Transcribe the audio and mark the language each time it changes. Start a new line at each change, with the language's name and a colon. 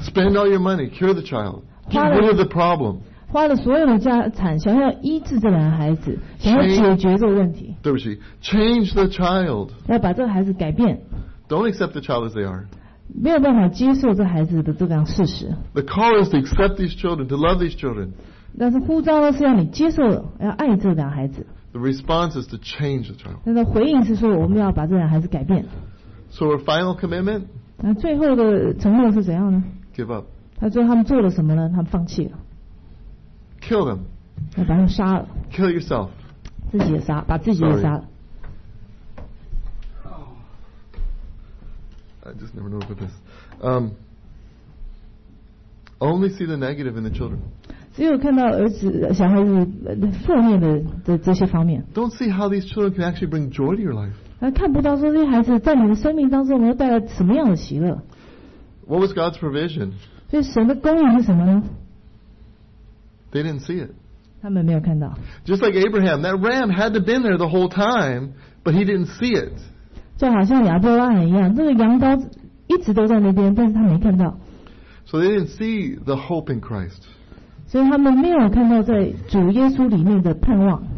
English: Spend all your money, cure the child. Get rid of the problem.
Chinese: 花了所有的家产，想要医治这两个孩子，想要解决这个问题。对不起，
English: change the child.
Chinese: 要把这个孩子改变。
English: Don't accept the child as they are.
Chinese: 没有办法接受这孩子的这样事实。
English: The call is to accept these children, to love these children.
Chinese: 但是呼召呢，是要你接受，要爱这两个孩子。
English: The response is to change the child.
Chinese: 那回应是说，我们要把这两个孩子改变。
English: So her final commitment?
Chinese: 那最后的承诺是怎样呢？
English: Give up.
Chinese: 他最后他们做了什么呢？他们放弃了。
English: Kill them.
Chinese: 要把他们杀了。
English: Kill yourself.
Chinese: 自己也杀，把自己也杀了。
English: I just never know about this. Only see the negative in the children.
Chinese: 只有看到儿子、小孩子负面的这些方面。
English: Don't see how these children can actually bring joy to your life.
Chinese: 看不到说这些孩子在你的生命当中能够带来什么样的喜乐。
English: What was God's provision?
Chinese: 所以神的供应是什么呢？
English: They didn't see it.
Chinese: 他们没有看到。
English: Just like Abraham, that ram had to been there the whole time, but he didn't see it.
Chinese: 就好像亚伯拉罕一样，这个羊羔一直都在那边，但是他没看到。
English: So they didn't see the hope in Christ.
Chinese: 所以他们没有看到在主耶稣里面的盼望。